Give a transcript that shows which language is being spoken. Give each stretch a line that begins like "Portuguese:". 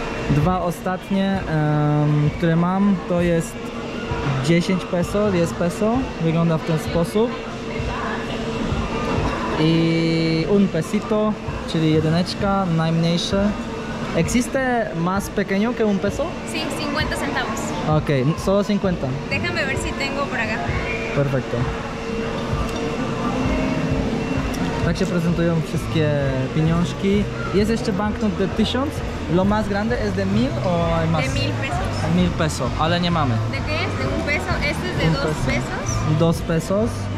Polish: Dwa ostatnie, które mam, to jest 10 peso, 10 peso, wygląda w ten sposób.
Spanish: I un pesito,
Polish: czyli jedyneczka, najmniejsze.
Spanish: Existe más pequeño que un peso? Sí, 50 centavos. Ok, solo 50. Déjame ver si tengo por acá. Perfecto.
Polish: Tak się prezentują wszystkie pieniążki. Jest jeszcze banknot de 1000.
Spanish: Lo más grande es de 1000 o hay más? De 1000 pesos.
Polish: 1000 peso, ale nie mamy.
Spanish: De qué es? De un peso. Este es de 2 pesos. 2 pesos.